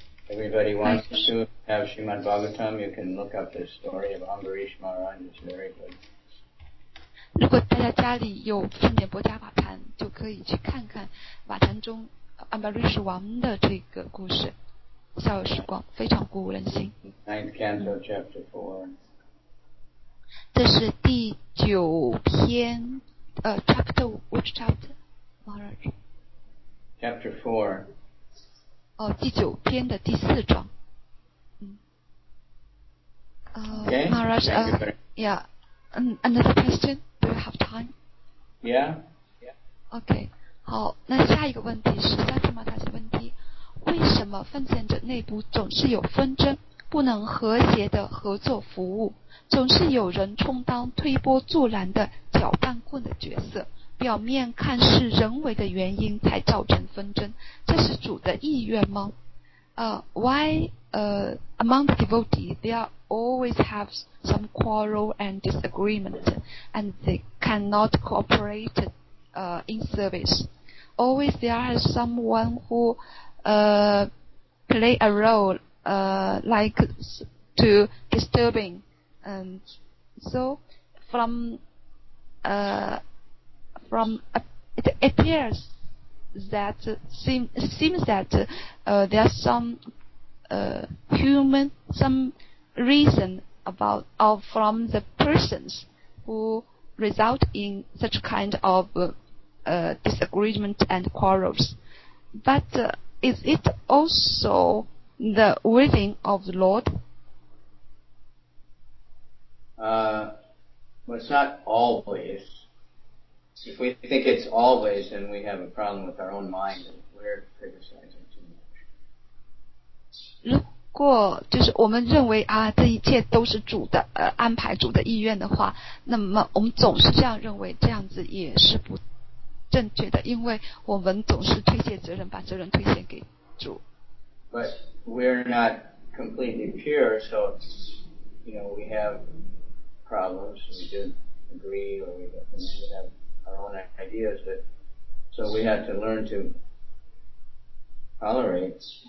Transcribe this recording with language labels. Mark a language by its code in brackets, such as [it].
[en] Everybody wants to have Srimad Bhagavatam, you can look up the story of Ambarish Maharaj. It's very good. [zh] 如果大家家里有圣殿伯加瓦坛，就可以去看看瓦坛中安巴瑞什王的这个故事，笑有时光，非常鼓舞人心。 [en] Ninth Canto, Chapter 4. [zh] 这是第九篇 [en] Chapter, which chapter, Maharaj? Chapter 4. [zh] 第九篇的第四章。 [en] Okay? Maharaj, yeah. Another question? Do you have time? Yeah. Okay. [zh] 好，那下一个问题是萨提玛塔的问题，为什么奉献者内部总是有纷争，不能和谐的合作服务，总是有人充当推波助澜的搅拌棍的角色，表面看是人为的原因才造成纷争，这是主的意愿吗？ [en] Why among the devotees there always have some quarrel and disagreement and they cannot cooperate in service? Always there are someone who play a role like to disturbing. And so from it appears that seems that there are some human some reason about or from the persons who result in such kind of disagreement and quarrels. But is it also the willing of the Lord? Well, it's not always. If we think it's always, then we have a problem with our own mind and we're criticizing too much. [zh] 如果就是我们认为啊，这一切都是主的安排、主的意愿的话，那么我们总是这样认为，这样子也是不正确的，因为我们总是推卸责任，把责任推卸给主。 [en] But we're not completely pure, so you know we have problems. We don't agree, or we have our own ideas. But so we have to learn to tolerate.